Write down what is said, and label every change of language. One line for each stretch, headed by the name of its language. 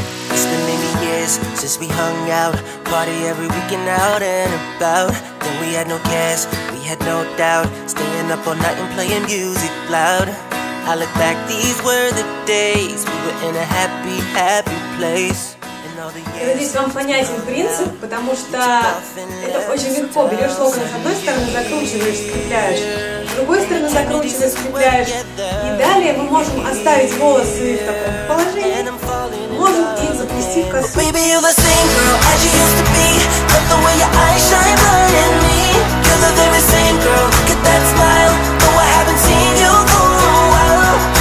English: It's been many years since we hung out. Party every weekend out and about. Then we had no cares, we had no doubt. Staying up all night and playing music loud. I look back, these were the days. We were in a happy, happy place.
Russian: Надеюсь, вам понятен принцип, потому что это очень легко. Берешь локон с одной стороны, закручиваешь, скрепляешь. С другой стороны закручиваешь, скрепляешь. И далее мы можем оставить волосы в таком положении. Можем и запустить косу.
English: Baby, you're the same girl as you used to be. But the way your eyes shine bright in me. You're the very same girl, look at that smile. Though I haven't seen you for a while.